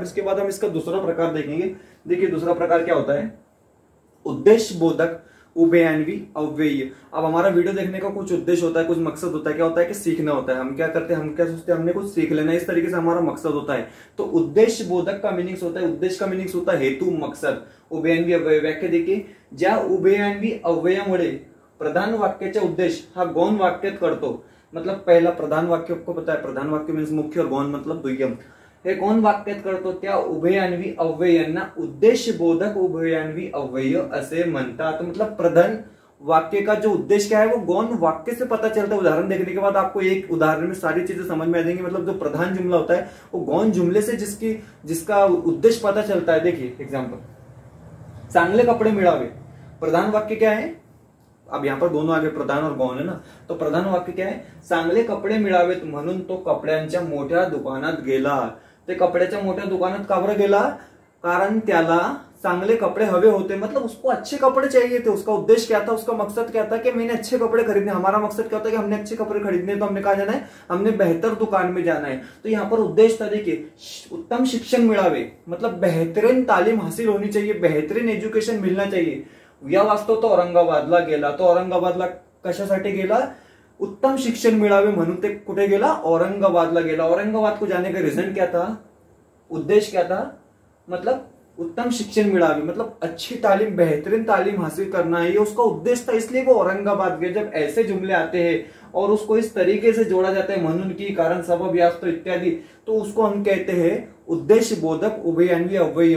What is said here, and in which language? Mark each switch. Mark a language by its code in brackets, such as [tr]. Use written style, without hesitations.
[hi] अब इसके बाद हम इसका दूसरा प्रकार देखेंगे। देखिए दूसरा प्रकार क्या होता है, उद्देश्य बोधक उभयन्वी अव्यय। अब हमारा वीडियो देखने का कुछ उद्देश्य होता है, कुछ मकसद होता है, क्या होता है कि सीखना होता है, हम क्या करते हैं, हम क्या सोचते हैं, हमने कुछ सीख लेना है, इस तरीके से हमारा मकसद होता है। तो उद्देश्य बोधक का मीनिंग्स होता है, उद्देश्य का मीनिंग्स होता है हेतु मकसद। [mr] उभयन्वी अव्यय व्याख्या देखिए, ज्या उभयन्वी अव्ययमुळे प्रधान वाक्याचा उद्देश हा गौण वाक्यात कळतो, [hi] मतलब पहला प्रधान वाक्य आपको पता है, प्रधान वाक्य मीन्स मुख्य और गौण मतलब दुय्यम, [mr] हे गौण वाक्यात कळतो त्या उभयन्वी अव्ययांना उद्देश्य बोधक उभयन्वी अव्यय असे म्हणतात। [hi] मतलब प्रधान वाक्य का जो उद्देश्य क्या है वो गौण वाक्य से पता चलता है। उदाहरण देखने के बाद आपको एक उदाहरण में सारी चीजें समझ में आ जाएंगी, मतलब जो प्रधान जुमला होता है वो गौण जुमले से जिसकी जिसका उद्देश्य पता चलता है। देखिए एग्जांपल, चांगले कपड़े मिलावे, प्रधान वाक्य क्या है, अब यहां पर दोनों आगे प्रधान और गौण है ना, तो प्रधान वाक्य क्या है, [mr] चांगले कपड़े मिलावेत म्हणून तो कपड्यांच्या मोठ्या दुकानात गेला, ते कपड्याच्या मोठ्या दुकानात का बरं गेला, कारण त्याला चांगले कपड़े हवे होते, [hi] मतलब उसको अच्छे कपड़े चाहिए थे। उसका उद्देश्य क्या था, उसका मकसद क्या था कि मैंने अच्छे कपड़े खरीदने, हमारा मकसद क्या होता है कि हमने अच्छे कपड़े खरीदने तो हमने कहा जाना है, हमने बेहतर दुकान में जाना है। तो यहाँ पर उद्देश्य था देखिए, [mr] उत्तम शिक्षण मिलावे, [hi] मतलब बेहतरीन तालीम हासिल होनी चाहिए, बेहतरीन एजुकेशन मिलना चाहिए। [mr] या वास्तव तो औरंगाबादला गेला, तो औरंगाबादला कशासाठी गेला, उत्तम शिक्षण मिलावे म्हणून ते कुठे गेला, औरंगाबादला गेला। [hi] औरंगाबाद को जाने का रीजन क्या था, उद्देश्य क्या था, मतलब [mr] उत्तम शिक्षण मिलावे, [hi] मतलब अच्छी तालीम बेहतरीन तालीम हासिल करना है, ये उसका उद्देश्य था, इसलिए वो औरंगाबाद गया। जब ऐसे जुमले आते हैं और उसको इस तरीके से जोड़ा जाता है, मनुन की कारण सबब यास्तो इत्यादि, तो उसको हम कहते हैं उद्देश्य बोधक उभयन्वी अव्यय।